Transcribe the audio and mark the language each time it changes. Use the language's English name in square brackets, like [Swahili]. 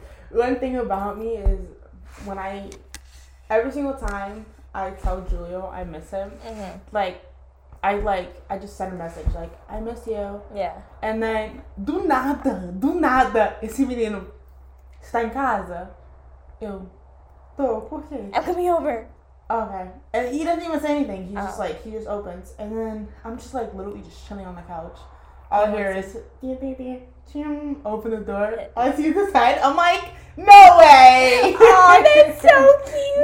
[English] One thing about me is every single time I tell Julio I miss him, I just send a message, like, I miss you. Yeah. And then, [Portuguese] do nada. Esse menino está em casa. Eu, tô, por quê? [English] I'm coming over. Okay. And he doesn't even say anything. He's just, like, he just opens. And then I'm just, like, literally just chilling on the couch. All I hear is, dee, dee, dee, chim, open the door. I see the sign. I'm like, no way. Oh, that's so cute.